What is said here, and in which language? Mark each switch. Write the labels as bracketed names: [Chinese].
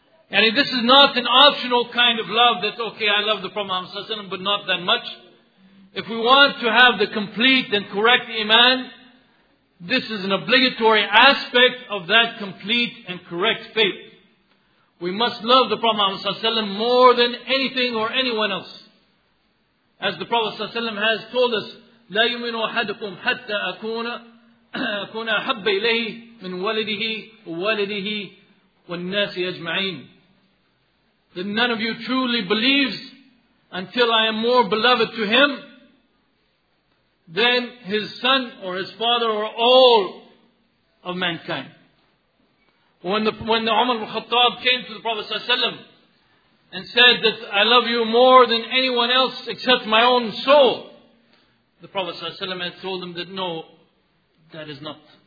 [English] And this is not an optional kind of love that, okay, I love the Prophet Muhammad sallallahu alaihi wasallam, but not that much. If we want to have the complete and correct iman, this is an obligatory aspect of that complete and correct faith. We must love the Prophet Muhammad sallallahu alaihi wasallam more than anything or anyone else. As the Prophet sallallahu alaihi wasallam has told us, [Arabic] لَا يُمِنُوا أَحَدُكُمْ حَتَّى أَكُونَ أَحَبَّ إِلَيْهِ مِنْ وَلِدِهِ وَوَالِدِهِ وَالنَّاسِ أَجْمَعِينَ. [English] That none of you truly believes until I am more beloved to him than his son or his father or all of mankind. When Umar al-Khattab came to the Prophet sallallahu alaihi wasallam and said that I love you more than anyone else except my own soul, the Prophet sallallahu alaihi wasallam told him that no, that is not.